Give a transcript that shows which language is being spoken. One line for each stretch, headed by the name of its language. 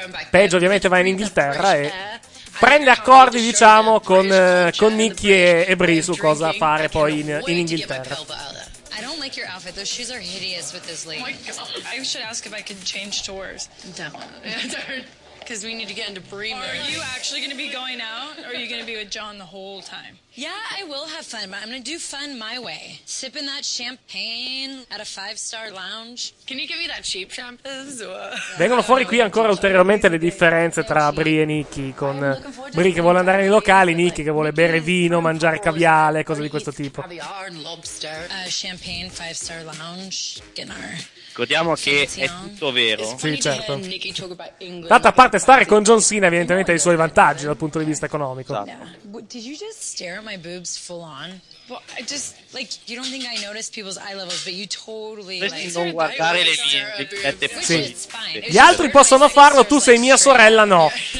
Italian: Paige ovviamente va in Inghilterra e prende accordi, diciamo, con Nikki e Brie su cosa fare poi in Inghilterra.
English: I don't like your outfit. Those shoes are hideous with this lady. Oh my God. I should ask if I could change tours. Don't. Because we need to get into Brie mode. Are you actually going to be going out? Or are you going to be with John the whole time? Yeah, I will have fun, but I'm going to do fun my way. Sipping that champagne at a five-star lounge. Can you give me that cheap shampoo?
Italian: Vengono fuori qui ancora ulteriormente le differenze tra Brie e Nikki, con Brie che vuole andare nei locali, Nikki che vuole bere vino, mangiare caviale, cose di questo tipo.
English: Caviar and lobster. Champagne, five-star lounge, dinner.
Italian: Ricordiamo che è tutto vero. Sì, certo. Tanto a parte stare con John Cena, evidentemente ha i suoi vantaggi dal punto di vista economico.
English: Did you just stare at my boobs full on? Well, I just, like, you don't think I notice people's eye levels, but you totally, like...
Italian: Non guardare le mie bichette. Sì. Gli altri possono farlo, tu sei mia sorella, no.